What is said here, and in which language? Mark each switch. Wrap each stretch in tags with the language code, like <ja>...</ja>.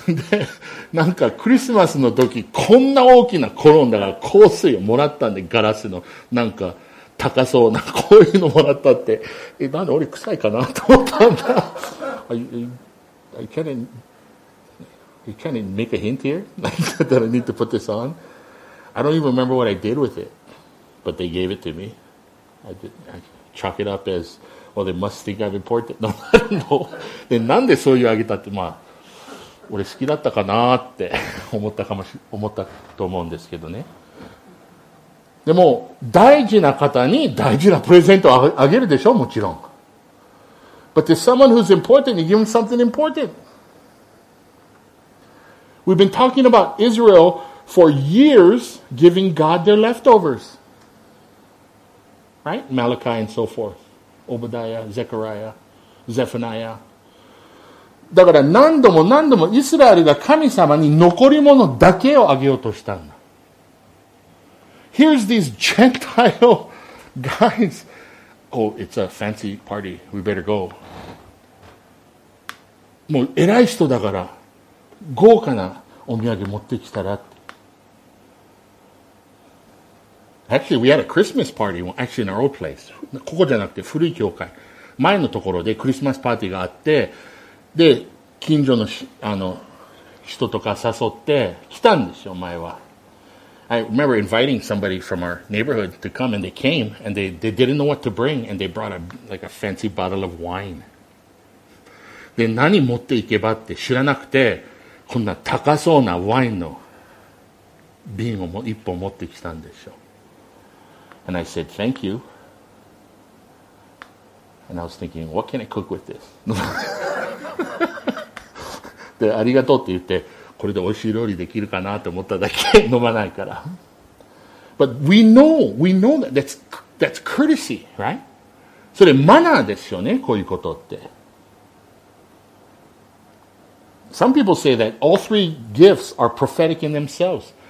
<ja>で、なんかクリスマスの時、こんな大きなコロンだから香水をもらったんで、ガラスの。なんか、高そうな、こういうのもらったって。え、なんで俺臭いかなと思ったんだ。</ja> <en>I can't make a hint here that I need to put this on. I don't even remember what I did with it, but they gave it to me. I chalk it up as, well, they must think I'm important. No, I don't know.</en> <ja>で、なんでそういうあげたって、まあ、俺好きだったかなって思ったと思うんですけどね。でも、大事な方に大事なプレゼントをあげるでしょ、もちろん。</ja> <en>But to someone who's important, you give them something important. We've been talking about Israel for years giving God their leftovers. Right? Malachi and so forth. Obadiah, Zechariah, Zephaniah.</en> <ja>だから何度も何度もイスラエルが神様に残り物だけをあげようとしたんだ。</ja> <en>Here's these Gentile guys. Oh, it's a fancy party. We better go.</en> <ja>もう偉い人だから豪華なお土産持ってきたら。</ja> <en>Actually, we had a Christmas party. Actually, in our old place.</en> <ja>ここじゃなくて古い教会。前のところでクリスマスパーティーがあって、で、近所の、人とか誘って来たんですよ、前は。</ja> <en>I remember inviting somebody from our neighborhood to come, and they came, and they didn't know what to bring, and they brought a fancy bottle of wine.</en> <ja>で、何持っていけばって知らなくて、こんな高そうなワインの瓶を一本持ってきたんでしょ。</ja> <en>And I said, thank you. And I was thinking, what can I cook with this?</en> <ja>で、ありがとうって言って、これで美味しい料理できるかなと思っただけ飲まないから。</ja> <en>But we know that that's courtesy, right?</en> <ja>それマナーですよね、こういうことって。</ja> <en>Some people say that all three gifts are prophetic in themselves.</en>